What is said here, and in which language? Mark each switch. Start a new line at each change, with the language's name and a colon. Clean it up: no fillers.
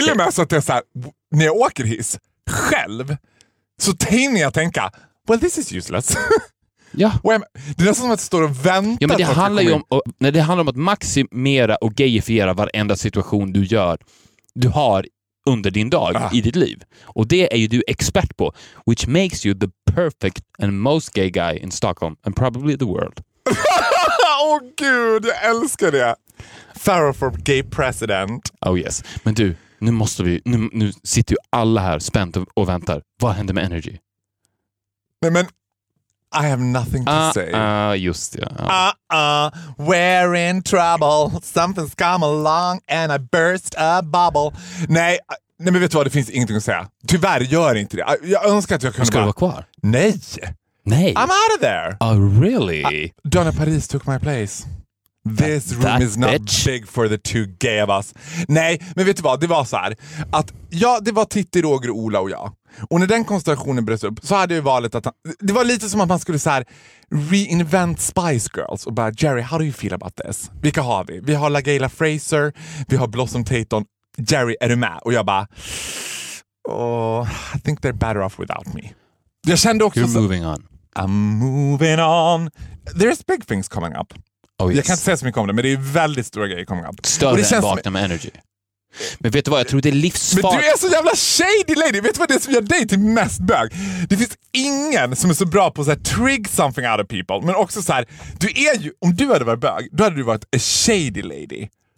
Swedish: Till och med så att det är så här, när jag åker hiss själv, så tänker jag tänka,
English: well, this is useless.
Swedish: Ja. Det är nästan som att jag står och väntar. Ja, men det handlar ju om, nej, det handlar om att maximera och gayifiera varenda situation du gör, du har under din dag, i ditt liv. Och det är ju du expert på.
English: Which makes you the perfect and most gay guy in Stockholm and probably the world.
Swedish: Åh gud, jag älskar det.
English: Farrah for gay president. Oh yes.
Swedish: Men du, nu måste vi, nu sitter ju alla här spänt och väntar. Vad händer med energy? Nej, men
English: I have nothing to say.
Swedish: Just det.
English: We're in trouble. Something's come along and I burst a bubble.
Swedish: Nej, men vet du vad? Det finns ingenting att säga. Tyvärr gör inte det. Jag önskar att jag kunde ska vara kvar. Nej.
English: I'm out of there. Oh, really? Donna Paris took my place. This that room is not bitch. Big for the two gay of us.
Swedish: Nej, men vet du vad? Det var så här. Att ja, det var Titti, Roger, Ola och jag. Och när den konstellationen bröt upp så hade ju valet att han, det var lite som att man skulle så här reinvent Spice Girls och bara,
English: Jerry, how do you feel about this?
Swedish: Vilka har vi? Vi har LaGayla Fraser, vi har Blossom Tayton. Jerry, är du med? Och jag bara,
English: oh, I think they're better off without me.
Swedish: Jag kände också,
English: you're moving on. I'm moving on. There's big things coming up. Oh, yes.
Swedish: Jag kan inte säga så mycket om det, men det är väldigt stora grejer coming up. Större än vakna med energy. Men vet du vad, jag tror det är livsfarligt. Men du är så jävla shady lady. Vet du vad det är som gör dig till mest bög? Det finns ingen som är så bra på att trigg
English: something out of people.
Swedish: Men också så här, du är ju, om du hade varit bög, då hade du varit
English: a shady lady.